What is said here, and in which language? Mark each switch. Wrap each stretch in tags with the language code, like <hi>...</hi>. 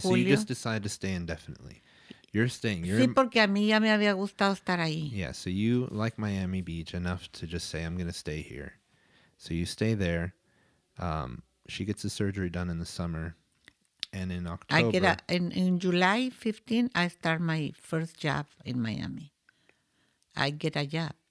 <en>Okay, so you just decided to stay indefinitely. You're staying. You're,</en> <es>sí, porque a mí ya me había gustado estar ahí.</es> <en>Yeah, so you like Miami Beach enough to just say, I'm going to stay here. So you stay there. She gets the surgery done in the summer. And in October... I get a, in July 15, I start my first job in Miami. I get a job.</en>